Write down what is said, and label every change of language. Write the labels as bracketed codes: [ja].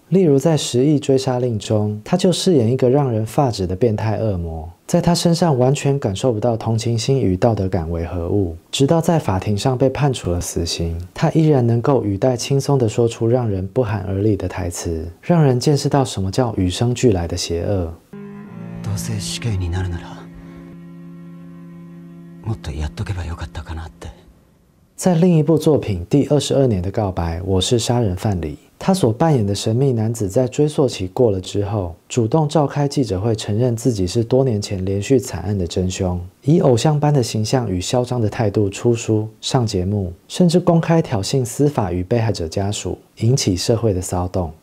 [zh] 例如在《十亿追杀令》中，他就饰演一个让人发指的变态恶魔，在他身上完全感受不到同情心与道德感为何物，直到在法庭上被判处了死刑，他依然能够语带轻松地说出让人不寒而栗的台词，让人见识到什么叫与生俱来的邪恶。 [ja] どうせ死刑になるならもっとやっとけばよかったかなって。 [zh] 在另一部作品《第22年的告白》《我是杀人犯》里，他所扮演的神秘男子在追溯期过了之后，主动召开记者会承认自己是多年前连续惨案的真凶，以偶像般的形象与嚣张的态度出书、上节目，甚至公开挑衅司法与被害者家属，引起社会的骚动。